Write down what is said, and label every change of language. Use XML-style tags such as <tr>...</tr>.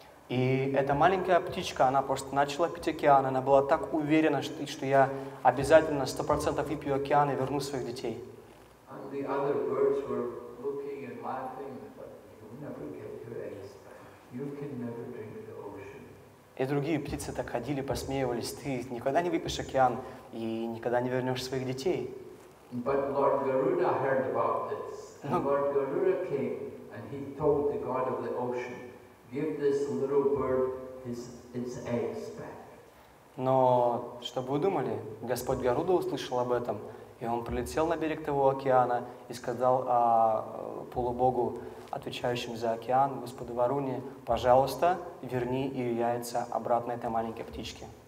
<ru>И эта маленькая птичка, она просто начала пить океан, она была так уверена, что я обязательно 100% выпью океан и верну своих детей.</ru> <en>The other birds were looking and laughing, but you'll never get your eggs back. You can never drink the ocean.</en> <ru>И другие птицы так ходили, посмеивались. Ты никогда не выпьешь океан и никогда не вернешь своих детей.</ru> <en>But Lord Garuda heard about this. And Lord Garuda came and he told the god of the ocean, give this little bird its eggs back.</en> <ru>Но что бы вы думали? Господь Гаруда услышал об этом. И он прилетел на берег того океана и сказал полубогу, отвечающему за океан, господу Варуне, пожалуйста, верни ее яйца обратно этой маленькой птичке.</ru>